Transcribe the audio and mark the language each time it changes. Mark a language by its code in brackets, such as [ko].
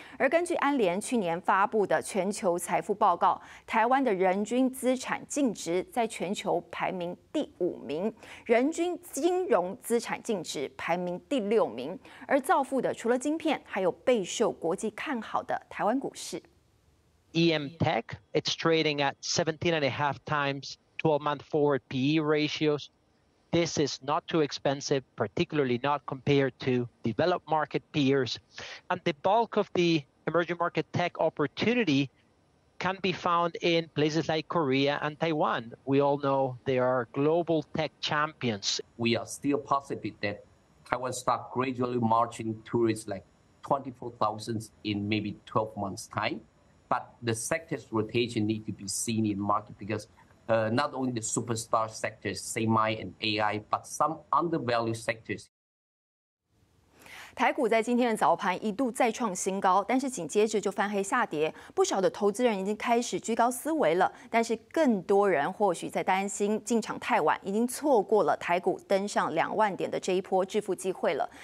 [zh] 而根据安联去年发布的全球财富报告，台湾的人均资产净值在全球排名第5名。人均金融资产净值排名第6名，而造富的除了晶片，还有备受国际看好的台湾股市。 [en] EM Tech, it's trading at 17.5x 12-month forward PE ratios. This is not too expensive, particularly not compared to developed market peers. And the bulk of the emerging market tech opportunity can be found in places like Korea and Taiwan. We all know they are global tech champions. We are still positive that Taiwan stock gradually marching towards like 24,000 in maybe 12 months time. But the sector's rotation need to be seen in market because not only the superstar sectors, semi and AI, but some undervalued sectors. [zh] 台股在今天的早盘一度再创新高，但是紧接着就翻黑下跌，不少的投资人已经开始居高思维了，但是更多人或许在担心进场太晚，已经错过了台股登上20000点的这一波致富机会了。